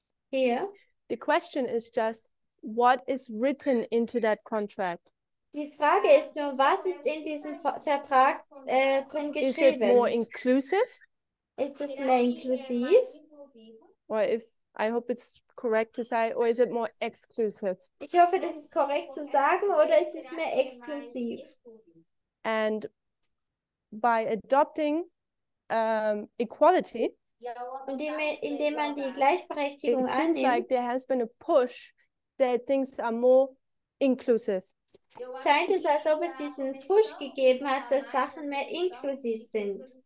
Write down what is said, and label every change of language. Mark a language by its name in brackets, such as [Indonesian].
[English] The question is just, what is written into that contract? [German] Die Frage ist nur, was ist in diesem Vertrag drin geschrieben? [English] Is it more inclusive? [German] Ist es mehr inklusiv? [English] Or if I hope it's correct to say, or is it more exclusive? [German] Ich hoffe, das ist korrekt zu sagen, oder ist es mehr exklusiv? [English] And by adopting equality, [German] indem man die Gleichberechtigung [English] it [German] annimmt, [English] seems like there has been a push that things are more inclusive. [German] Scheint es, als ob es diesen Push gegeben hat, dass Sachen mehr inklusiv sind.